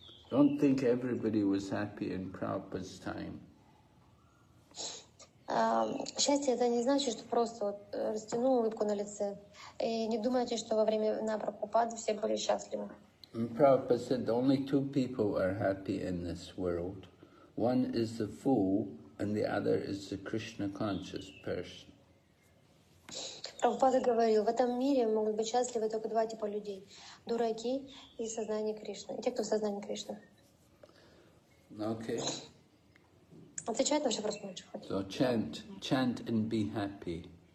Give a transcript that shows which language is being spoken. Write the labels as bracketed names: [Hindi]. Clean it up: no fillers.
[English] Don't think everybody was happy in Prabhupada's time. [Russian] Счастье это не значит, что просто вот растянул улыбку на лице. И не думайте, что во время на Прабхупады все были счастливы. [English] And Prabhupada said, only two people are happy in this world. One is the fool, and the other is the Krishna-conscious person. [Russian] Prabhupada говорил, в этом мире могут быть счастливы только два типа людей. Дураки и сознание Кришны. И те, кто в сознании Кришны. [English] Okay. [Russian] Отвечает на все вопросы, что хочешь. [English] So chant and be happy.